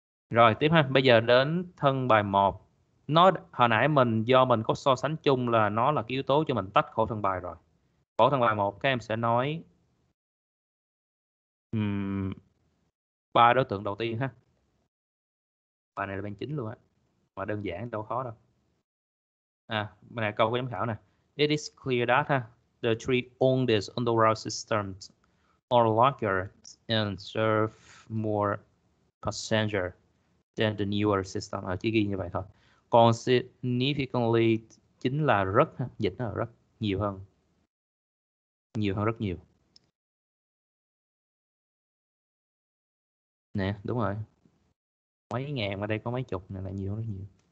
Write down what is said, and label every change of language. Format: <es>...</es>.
<vi>Rồi tiếp ha, bây giờ đến thân bài 1. Nó hồi nãy mình do mình có so sánh chung là nó là cái yếu tố cho mình tách khổ thân bài rồi. Khổ thân bài 1 các em sẽ nói ba đối tượng đầu tiên ha. Bài này là bài chính luôn á. Mà đơn giản đâu khó đâu. À, bài này câu của giám khảo nè.</vi> <en>It is clear that the three oldest underground systems are larger and serve more passenger than the newer system.</en> <vi>Chỉ ghi như vậy thôi. Còn significantly chính là rất, dịch nó là rất nhiều hơn. Nhiều hơn rất nhiều. Nè, đúng rồi. Mấy ngàn mà đây có mấy chục này là nhiều hơn rất nhiều.</vi>